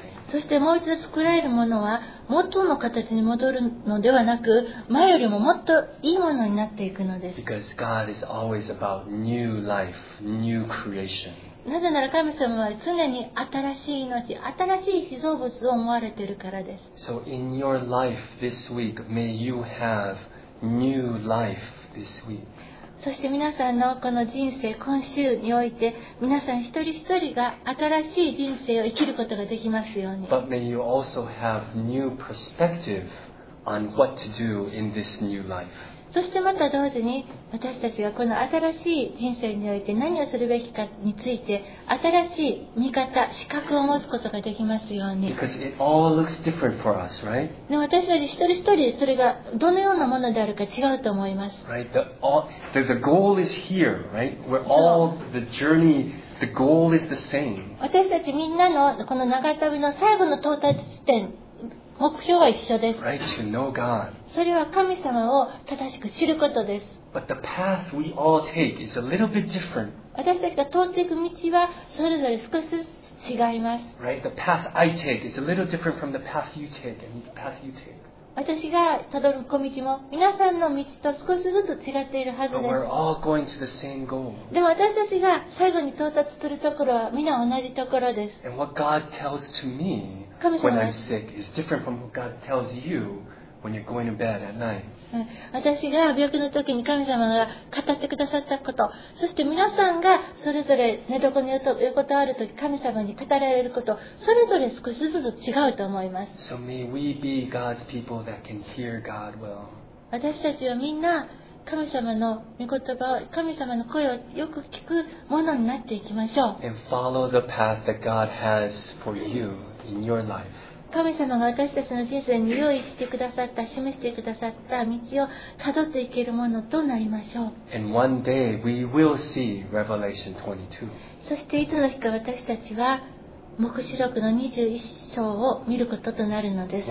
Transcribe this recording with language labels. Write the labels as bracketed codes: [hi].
[ja] そしてもう一度作られるものは元の形に戻るのではなく、前よりももっといいものになっていくのです。 [en] Because God is always about new life, new creation. [ja] なぜなら神様は常に新しい命、新しい被造物を思われているからです。 [en] So in your life this week, may you have new life this week. [ja] そして皆さんのこの人生、今週において、皆さん一人一人が新しい人生を生きることができますように。 [en] But may you also have new perspective on what to do in this new life. [ja] そしてまた同時に、私たちがこの新しい人生において何をするべきかについて、新しい見方、視覚を持つことができますように。 [en] Because it all looks different for us, right? [ja] で、私たち一人一人、それがどのようなものであるか違うと思います。 [en] Right? The goal is here, right? We're all the journey, the goal is the same. [ja] 私たちみんなのこの長旅の最後の到達地点、目標は一緒です。 [en] Right? To know God. [ja] それは神様を正しく知ることです。 [en] But the path we all take is a little bit different. [ja] 私たちが通っていく道はそれぞれ少しずつ違います。 [en] Right? The path I take is a little different from the path you take and the path you take. [ja] 私が辿る小道も皆さんの道と少しずつ違っているはずです。 [en] But we're all going to the same goal. [ja] でも私たちが最後に到達するところは皆同じところです。 [en] And what God tells to me when I'm sick is different from what God tells you. When you're going to bed at night. [ja] 私が病気の時に神様が語ってくださったこと、そして皆さんがそれぞれ寝床に横たわる時神様に語られること、それぞれ少しずつ違うと思います。 [en] So may we be God's people that can hear God well. [ja] 私たちはみんな神様の御言葉を、神様の声をよく聞くものになっていきましょう。 [en] And follow the path that God has for you in your life. [ja] 神様が私たちの人生に用意してくださった、示してくださった道をたどっていけるものとなりましょう。 [en] And one day we will see Revelation 22. [ja] そしていつの日か私たちは黙示録の21章を見ることとなるのです。